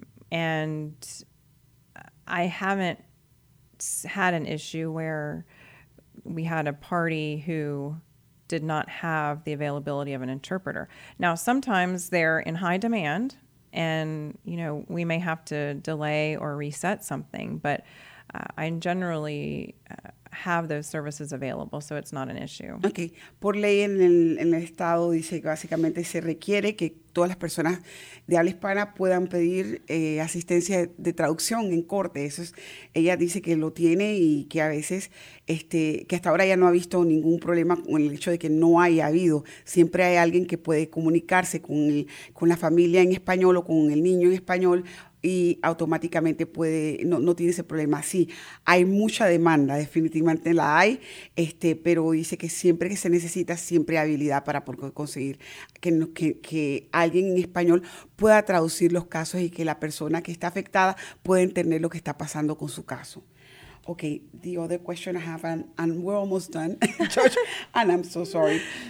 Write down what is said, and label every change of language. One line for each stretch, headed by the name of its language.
English: And I haven't had an issue where we had a party who did not have the availability of an interpreter. Now, sometimes they're in high demand and, you know, we may have to delay or reset something, but I generally have those services available, so it's not an issue. Okay.
Spanish: Por ley en el estado dice que básicamente se requiere que todas las personas de habla hispana puedan pedir asistencia de traducción en corte. Eso es, ella dice que lo tiene y que a veces, que hasta ahora ya no ha visto ningún problema con el hecho de que no haya habido. Siempre hay alguien que puede comunicarse con la familia en español o con el niño en español y automáticamente puede, no tiene ese problema. Sí, hay mucha demanda, definitivamente la hay, pero dice que siempre que se necesita, siempre hay habilidad para conseguir que alguien en español pueda traducir los casos y que la persona que está afectada pueda entender lo que está pasando con su caso.
English: Okay, the other question I have, and we're almost done, George, and I'm so sorry.